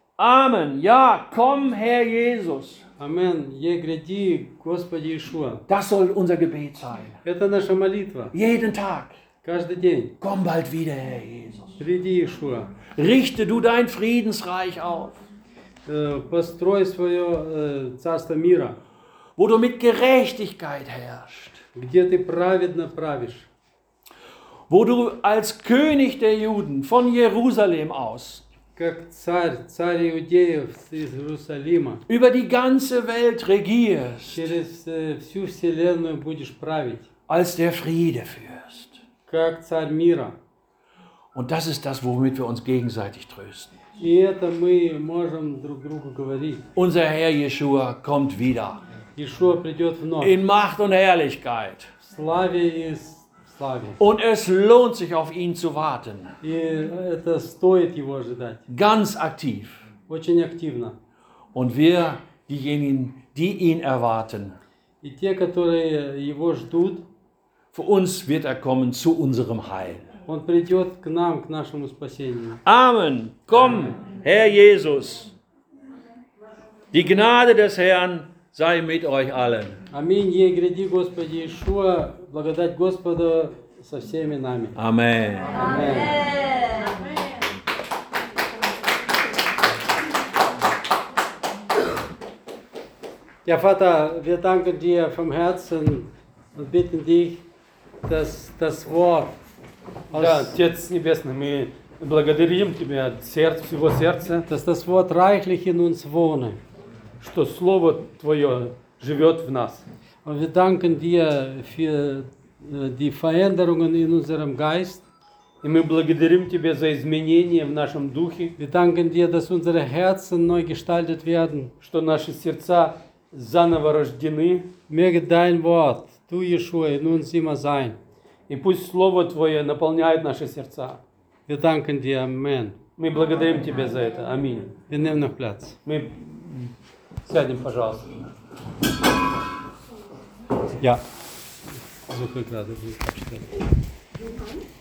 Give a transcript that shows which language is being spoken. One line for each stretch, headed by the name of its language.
German: Amen. Ja, komm, Herr Jesus. Amen.
Russian: Je gredi, Господи Иешуа.
German: Das soll unser Gebet sein.
Russian: Это наша молитва.
German: Jeden Tag.
Russian: Каждый день.
German: Komm bald wieder, Herr Jesus.
Russian: Приди, Иешуа.
German: Richte du dein Friedensreich auf.
Russian: Построй свое царство мира.
German: Wo du mit Gerechtigkeit herrschst.
Russian: Где ты праведно правишь.
German: Wo du als König der Juden von Jerusalem aus.
Russian: Как царь, царь иудеев из Иерусалима.
German: Über die ganze Welt regierst.
Russian: Через всю вселенную будешь править.
German: Als der Friedefürst.
Russian: Как царь мира.
German: Und das ist das, womit wir uns gegenseitig trösten.
Russian: И это мы можем друг другу говорить.
German: Unser Herr Yeshua kommt wieder.
Russian: Yeshua придет вновь.
German: In Macht und Herrlichkeit.
Russian: Славе и славе.
German: Und es lohnt sich, auf ihn zu warten.
Russian: И это стоит его ожидать.
German: Ganz aktiv.
Russian: Очень активно.
German: Und wir, diejenigen, die ihn erwarten.
Russian: И те, которые его ждут.
German: Für uns wird er kommen zu unserem Heil.
Russian: Он придет к нам, к нашему спасению.
German: Amen. Komm, Amen. Herr Jesus. Die Gnade des Herrn sei mit euch allen.
Russian: Аминь. Ей гряди, Господи Иешуа. Благодать Господа со всеми нами.
German: Amen. Amen. Ja, Vater, wir danken dir vom Herzen und bitten dich, dass das Wort aus, ja,
Russian: Отец Небесный, мы благодарим тебя от сердца, всего сердца,
German: dass das Wort reichlich in uns wohne,
Russian: что слово твое живет в нас.
German: Und wir danken dir für die Veränderungen in unserem Geist.
Russian: И мы благодарим тебя за изменения в нашем духе.
German: Wir danken dir, dass unsere Herzen neu gestaltet werden,
Russian: что наши сердца заново рождены.
German: Möge dein Wort, du Yeshua, in uns immer sein.
Russian: И пусть Слово Твое наполняет наши сердца.
German: Wir danken dir, Amen.
Russian: Мы благодарим Тебя за это. Аминь.
German: Wir nehmen noch Platz.
Russian: Мы сядем, пожалуйста. Я. Звук надо будет почитать.